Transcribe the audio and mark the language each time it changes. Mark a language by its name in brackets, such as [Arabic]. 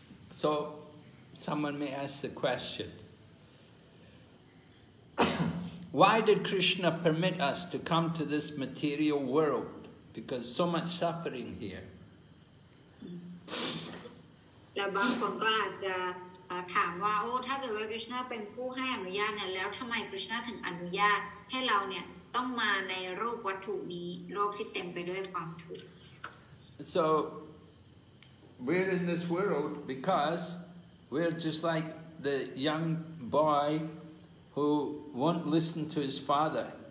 [English] So, someone may ask the question, why did Krishna permit us to come to this material world? Because so much suffering here. [Thai] แล้วบางคนก็อาจจะถามว่าโอ้ถ้าเกิดว่าคริสต์น่าเป็นผู้ให้อนุญาตเนี่ยแล้วทำไมคริสต์น่าถึงอนุญาตให้เราเนี่ยต้องมาในโลกวัตถุนี้โลกที่เต็มไปด้วยความทุกข์ [English] So,We're in this world because we're just like the young boy who won't listen to his father.